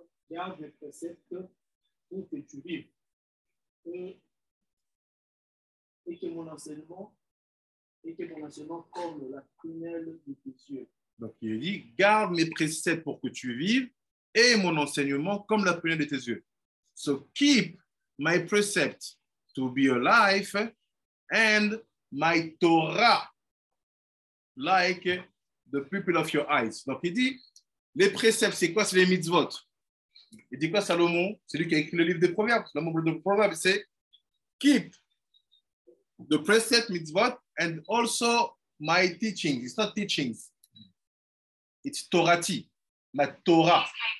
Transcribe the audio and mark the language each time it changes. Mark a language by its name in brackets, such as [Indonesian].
[French] garde les préceptes pour que tu vives et que mon enseignement comme la prunelle de tes yeux. Donc, il dit, garde mes préceptes pour que tu vives et mon enseignement comme la prunelle de tes yeux. [English] So, keep my precepts to be alive and my Torah like the pupil of your eyes. [French] Donc il dit, les préceptes, c'est quoi? C'est les mitzvot. Il dit quoi Salomon? C'est lui qui a écrit le livre des proverbes. Le mot de proverbe, c'est [English] keep the precept mitzvot and also my teachings. It's not teachings. It's Torati. [French] Ma Torah.